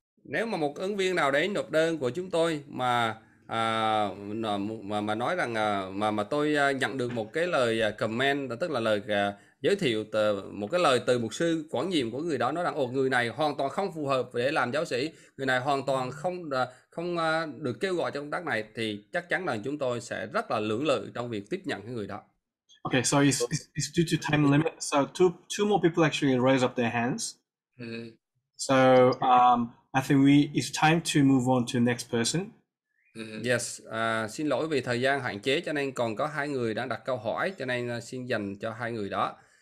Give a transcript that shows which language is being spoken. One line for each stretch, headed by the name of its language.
Vietnamese: Nếu mà một ứng viên nào đấy nộp đơn của chúng tôi mà nói rằng mà tôi nhận được một cái lời comment, tức là lời giới thiệu, một cái lời từ mục sư quản nhiệm của người đó nói rằng người này hoàn toàn không phù hợp để làm giáo sĩ, người này hoàn toàn không được kêu gọi cho công tác này, thì chắc chắn là chúng tôi sẽ rất là lưỡng lự trong việc tiếp nhận cái người đó.
English: Okay, so it's due to time limit. So two more people actually raise up their hands. So I think it's time to move on to the next person.
Vietnamese: Yes, xin lỗi vì thời gian hạn chế cho nên còn có hai người đang đặt câu hỏi, cho nên xin dành cho hai người đó.